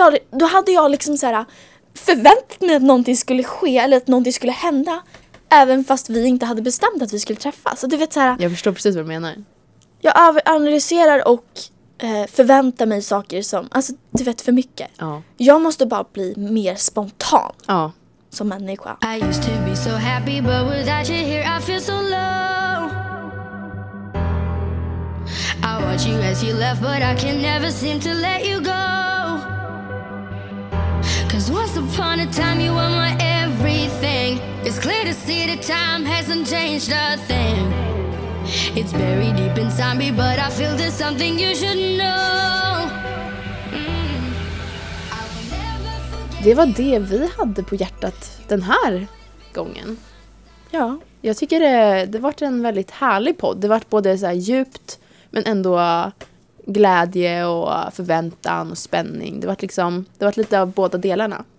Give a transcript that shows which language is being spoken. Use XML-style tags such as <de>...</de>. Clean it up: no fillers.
<sv>Då hade jag liksom så här förväntat mig att någonting skulle ske eller att någonting skulle hända. Även fast vi inte hade bestämt att vi skulle träffas. Så du vet så här. Jag förstår precis vad du menar. Jag analyserar och förväntar mig saker som, alltså du vet, för mycket. Oh. Jag måste bara bli mer spontan. Ja. Oh. Som människa.</sv> <en>I used to be so happy, but without you here I feel so low. I want you as you left, but I can never seem to let you go. Cause once upon a time you were my everything. It's clear to see that time hasn't changed a thing. It's buried deep inside me, but I feel there's something you should know.</en> <sv>Det var det vi hade på hjärtat den här gången. Ja. Jag tycker det varit en väldigt härlig podd. Det varit både så här djupt, men ändå glädje och förväntan och spänning. Det varit liksom, det varit lite av båda delarna.</sv>